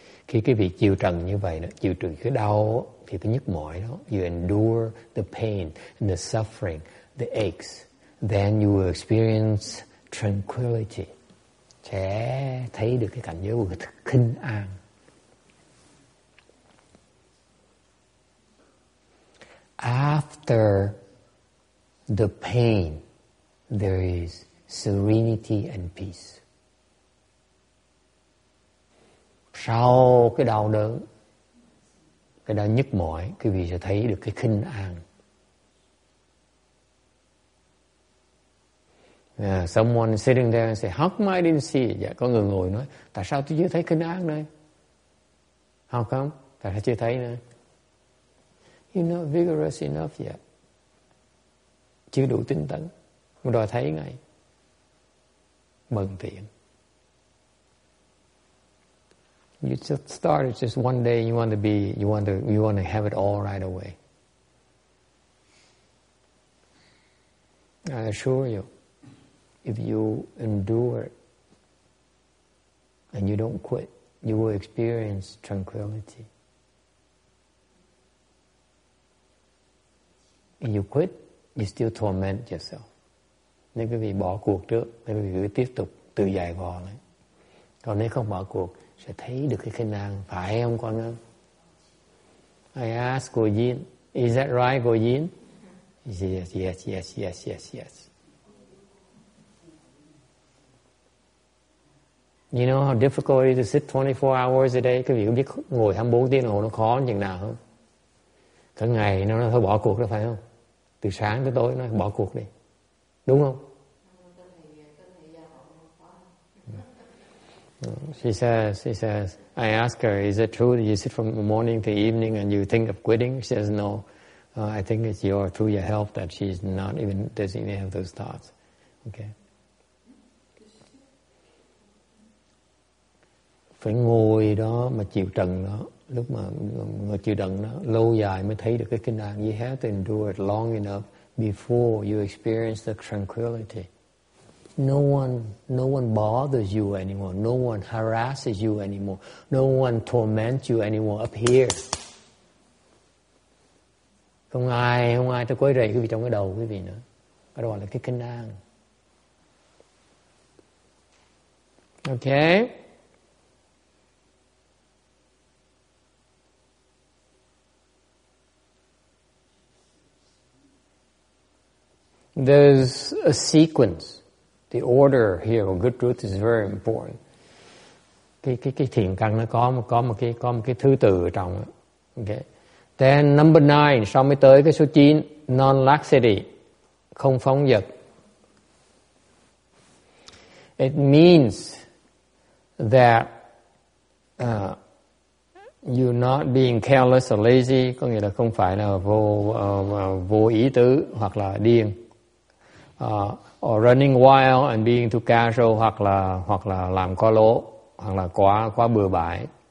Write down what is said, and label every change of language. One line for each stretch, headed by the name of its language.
Vietnamese: Khi quý vị chịu trận như vậy, chịu trừ cái đau, thì cái nhức mỏi đó,
English: you endure the pain, and the suffering, the aches, then you will experience tranquility.
Vietnamese: Sẽ thấy được cái cảnh giới của khinh an.
English: After the pain, there is serenity and peace.
Vietnamese: Sau cái đau đớn, cái đau nhức mỏi, quý vị sẽ thấy được cái khinh an.
English: Yeah, someone sitting there and say, how come I didn't see it?
Vietnamese: Yeah, có người ngồi nói, tại sao tôi chưa thấy khinh an đây?
English: How come?
Vietnamese: Tại sao chưa thấy nữa?
English: You're not vigorous enough yet.
Vietnamese: Chưa đủ tinh tấn. Mình đòi thấy ngay. Bận tiện.
English: You just started just one day. You want to be. You want to have it all right away. I assure you, if you endure it and you don't quit, you will experience tranquility. You quit, you still torment yourself.
Vietnamese: Nếu quý vị bỏ cuộc trước, nếu quý vị tiếp tục tự dài vò lại. Còn nếu không bỏ cuộc, sẽ thấy được cái khinh an. Phải không, Quang Ngân?
English: I ask Go Jin, is that right, Go Jin? Yes, yes, yes, yes, yes, yes. You know how difficult it is to sit 24 hours a day?
Vietnamese: Quý vị có biết ngồi 24 tiếng đồng hồ nó khó chừng nào không? Cả ngày nó nói thôi bỏ cuộc đó phải không? Từ sáng tới tối nó nói bỏ cuộc đi. Đúng không?
English: She says, I ask her, is it true that you sit from morning to evening and you think of quitting? She says, no. I think it's through your health that she's not even, doesn't even have those thoughts. Okay.
Vietnamese: Phải ngồi đó mà chịu trận đó. Lúc mà người chịu đựng nó lâu dài mới thấy được cái kinh an.
English: You have to endure it long enough before you experience the tranquility. No one bothers you anymore. No one harasses you anymore. No one torments you anymore up here.
Vietnamese: Không ai tới quấy rầy quý vị trong cái đầu quý vị nữa. Cái đó là cái kinh an.
English: Okay. There's a sequence. The order here of good truth is very important.
Vietnamese: Cái thiền căn nó có một cái thứ tự ở trong.
English: Okay. Then number 9,
Vietnamese: sau mới tới cái số 9, non-laxity, không phóng dật.
English: It means that you not being careless or lazy,
Vietnamese: có nghĩa là không phải là vô vô ý tứ hoặc là điên,
English: or running wild and being too casual,
Vietnamese: hoặc là làm quá lố, hoặc là quá bừa bãi.